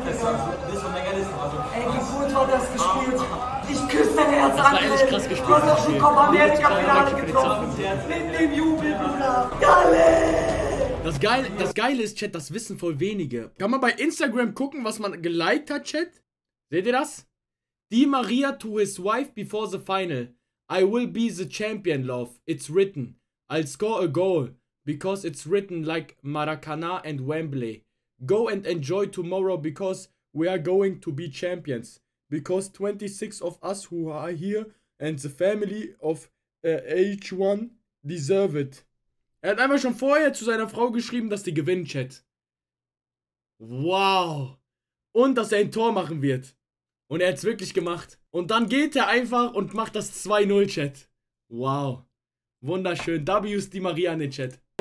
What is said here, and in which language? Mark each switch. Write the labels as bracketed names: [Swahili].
[German] Digga? Ey, wie gut war das gespielt? Ich küsse dein Herz an, das war eigentlich krass gespielt. Du hast doch schon Copa-America-Finale getroffen. Mit dem Jubel, Bruder. Galle! Das Geile ist, Chat, das wissen voll wenige. Kann man bei Instagram gucken, was man geliked hat, Chat? Seht ihr das? [English] Di Maria to his wife before the final. I will be the champion, love. It's written. I'll score a goal. Because it's written like Maracana and Wembley. Go and enjoy tomorrow because we are going to be champions. Because 26 of us who are here and the family of H1 deserve it. [German] Er hat einfach schon vorher zu seiner Frau geschrieben, dass die gewinnen, Chat. Wow. Und dass er ein Tor machen wird. Und er hat es wirklich gemacht. Und dann geht er einfach und macht das 2-0, Chat. Wow. Wunderschön. W's die Maria in den Chat.